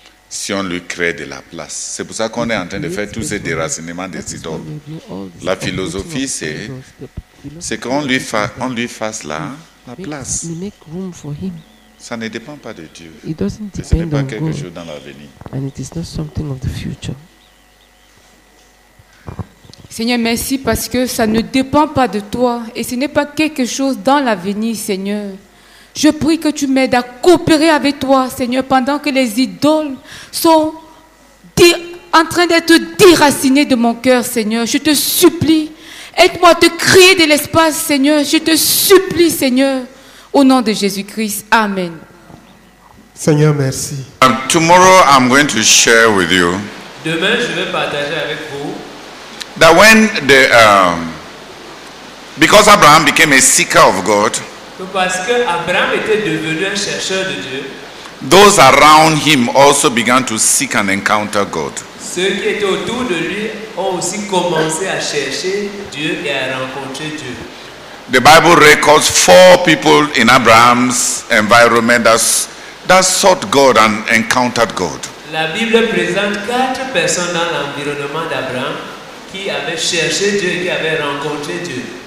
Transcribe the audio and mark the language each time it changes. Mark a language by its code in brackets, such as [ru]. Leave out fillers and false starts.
[fr] Si on lui crée de la place. C'est pour ça qu'on est en train de faire tous ces déracinements des idoles. La philosophie, c'est qu'on lui fasse la place. Ça ne dépend pas de Dieu. Ce n'est pas quelque chose dans l'avenir. [en] And it is not something of the future. [fr] Seigneur, merci parce que ça ne dépend pas de toi et ce n'est pas quelque chose dans l'avenir, Seigneur. Je prie que tu m'aides à coopérer avec toi, Seigneur, pendant que les idoles sont en train d'être déracinées de mon cœur, Seigneur. Je te supplie, aide-moi à te créer de l'espace, Seigneur. Je te supplie, Seigneur, au nom de Jésus-Christ. Amen. Seigneur, merci. [en] Tomorrow, I'm going to share with you. [fr] Demain, je vais partager avec vous. [en] That when the because Abraham became a seeker of God, [fr] parce que Abraham était devenu un chercheur de Dieu, [en] those around him also began to seek and encounter God. [fr] Ceux qui étaient autour de lui ont aussi commencé à chercher Dieu et à rencontrer Dieu. [en] The Bible records four people in Abraham's environment that sought God and encountered God. [fr] La Bible présente quatre personnes dans l'environnement d'Abraham qui avait cherché Dieu, qui avait rencontré Dieu.